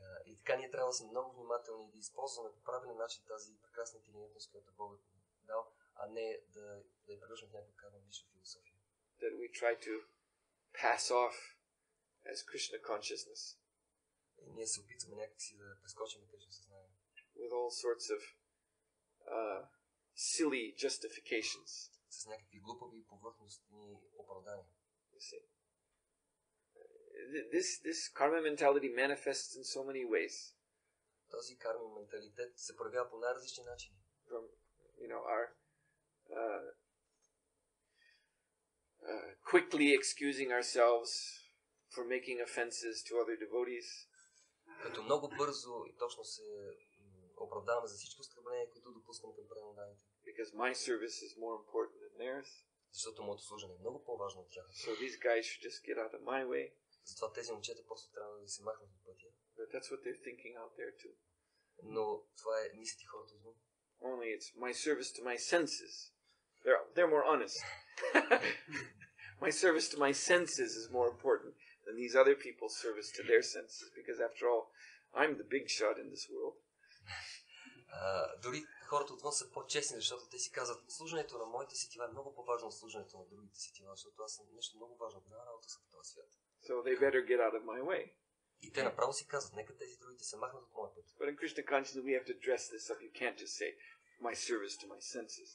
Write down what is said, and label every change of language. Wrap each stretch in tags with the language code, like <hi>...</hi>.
<bg>И така ние трябва да сме много внимателни и да използваме по правилен начин тази прекрасна интелигентност, която Бог ни е дал, а не да я превръщаме в някаква карма мишра философия.</bg> <en>That we try to pass off as Krishna consciousness.</en> <bg>И ние се опитваме някакси да прескочим Кришна съзнание.</bg> <en>With all sorts of silly justifications.</en> <bg>С някакви глупави повърхностни оправдания.</bg> <en>This karma mentality manifests in so many ways.</en> <bg>Този карма менталитет се проявява по най-различни начини.</bg> <en>From, you know, our quickly excusing ourselves for making offenses to other devotees.</en> <bg>Като много бързо и точно се оправдаваме за всичко оскърбление, което допускаме към преданите.</bg> <en>Because my service is more important than theirs.</en> <bg>Защото моето служене е много по-важно от тях.</bg> <en>So these guys should just get out of my way.</en> <bg>Затова тези момчета просто трябва да се махнат от пътя.</bg> <en>But that's what they're thinking out there too.</en> <bg>Но това е мислите хората извън.</bg> <en>Only it's my service to my senses. They're more honest. My service to my senses is more important than these other people's service to their senses, because after all, I'm the big shot in this world.</en> <bg>Дори хората отвън са по-честни, защото те си казват, служенето на моите сетива е много по-важно от служенето на другите сетива, защото аз съм нещо много важно, голяма работа съм в този свят.</bg> <en>So they better get out of my way.</en> <bg>И те направо си казват, нека тези другите се махнат от моя път.</bg> <en>But in Krishna consciousness we have to dress this up. You can't just say my service to my senses.</en>